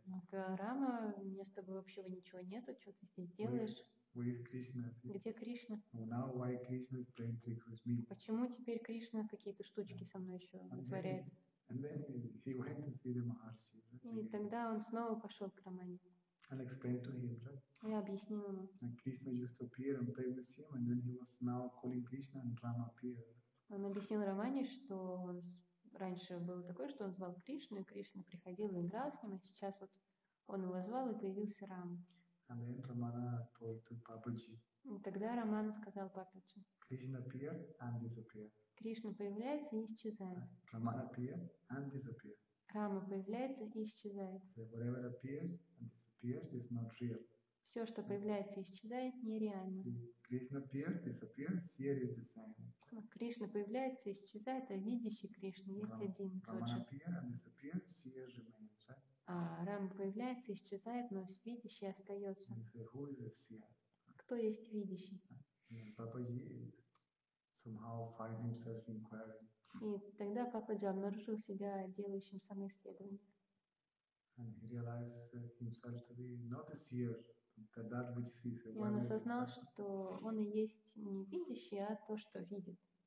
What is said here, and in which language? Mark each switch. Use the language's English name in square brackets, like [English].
[Russian] Рама, мне с тобой вообще ничего нету, что ты здесь делаешь? [English] Where is Krishna? [Russian] Где Кришна? [English] Well, now why Krishna is playing tricks with me? [Russian] Почему теперь Кришна какие-то штучки со мной еще творяет? [English] And then he went to see the Maharshi. [Russian] И тогда он снова пошел к Рамане. [English] And explained to him, right? [Russian] И объяснил ему. [English] And Krishna used to appear and play with him, and then he was now calling Krishna, and Rama appeared. [Russian] Он объяснил Рамане, что он раньше был такой, что он звал Кришну, и Кришна приходил и играл с ним, а сейчас вот он его звал и появился Рама. [English] And then Ramana told to Papaji. [Russian] И тогда Роман сказал Пападжи. [English] Krishna appear and disappear. [Russian] Кришна появляется и исчезает. [English] Ramana appear and disappear. [Russian] Рама появляется и исчезает. [English] So whatever appears and disappears is not real. [Russian] Все, что появляется и исчезает, нереально. [English] Krishna appear, disappear, seer is the same. [Russian] Кришна появляется и исчезает, а видящий Кришна есть один тот же. [English] Ramana appear and disappear, seer remains. [Russian] А Рама появляется, исчезает, но видящий остается. [English] Say, [Russian] кто есть видящий? [English] Papaji somehow find himself inquiring. [Russian] И тогда Пападжи обнаружил себя делающим самоисследование. [English] And he realized himself to be not a seer, but that which sees. [Russian] И он осознал, что он и есть не видящий, а то, что видит.